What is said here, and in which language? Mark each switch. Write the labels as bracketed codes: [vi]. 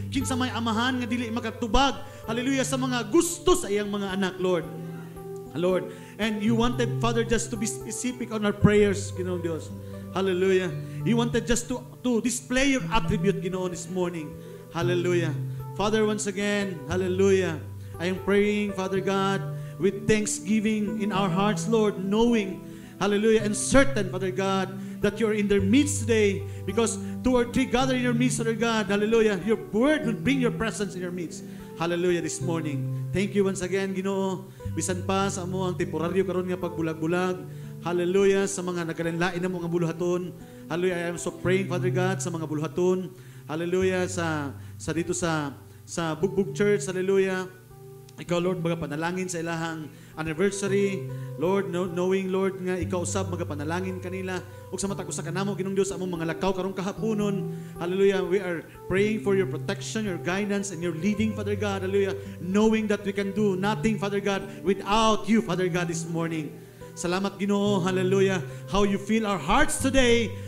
[ceb] Kinsa may amahan nga dili makatubag, hallelujah, sa mga gusto sa iyang mga anak, Lord. [en] Lord, and you wanted Father just to be specific on our prayers Ginoong Diyos. Hallelujah. You wanted just to display your attribute Ginoo this morning. Hallelujah. Father, once again, hallelujah, I am praying, Father God, with thanksgiving in our hearts, Lord, knowing, hallelujah, and certain, Father God, that you are in their midst today, because two or three gather in your midst, Father God, hallelujah, your word will bring your presence in your midst, hallelujah, this morning. Thank you once again, [ceb] Ginoo, bisan pa sa amo ang temporaryo karon nga pagbulag-bulag, hallelujah, sa mga nagkalain-lain na mga buluhaton, hallelujah, [en] I am so praying, Father God, [ceb] sa mga buluhaton, hallelujah, sa dito sa Bugbug Church, hallelujah. Ikaw, Lord, magapanalangin sa ilahang anniversary. Lord, knowing, Lord, nga ikaw usab magapanalangin kanila. Ug sa matag usa kanamo Ginoong Dios among mga lakaw karong kahaponon. Hallelujah. [en] We are praying for your protection, your guidance, and your leading, Father God. Hallelujah. Knowing that we can do nothing, Father God, without you, Father God, this morning. [ceb] Salamat Ginoo. [en] Hallelujah. How you fill our hearts today.